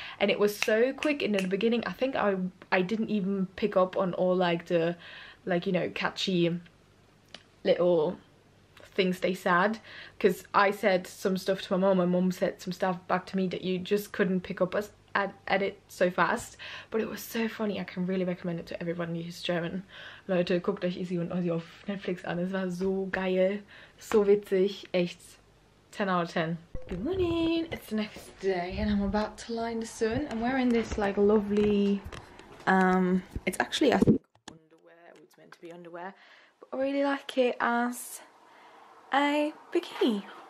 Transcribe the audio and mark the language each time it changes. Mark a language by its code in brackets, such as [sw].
[en] And it was so quick in the beginning. I think I didn't even pick up on all, like, the, like, you know, catchy little things they said, because I said some stuff to my mom, my mom said some stuff back to me that you just couldn't pick up at it so fast. But it was so funny. I can really recommend it to everyone who's German. [de] Leute, guckt euch Easy und Ozzy auf Netflix an. Es war so geil, so witzig, echt. 10 out of 10. [en] Good morning, it's the next day and I'm about to lie in the sun. I'm wearing this like lovely, it's actually, I think, underwear. Oh, it's meant to be underwear, but I really like it as a bikini.